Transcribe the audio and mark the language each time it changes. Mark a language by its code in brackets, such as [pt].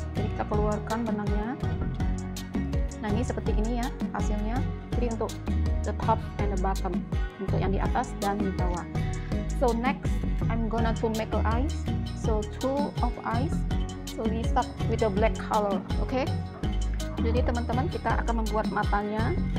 [id] Jadi kita keluarkan benangnya. Nah, ini seperti ini ya hasilnya. Jadi untuk [en] the top and the bottom, [id] untuk yang di atas dan di bawah. [en] So next I'm gonna to make a eyes. So two of eyes. So we start with the black color, okay? [id] Jadi teman-teman, kita akan membuat matanya.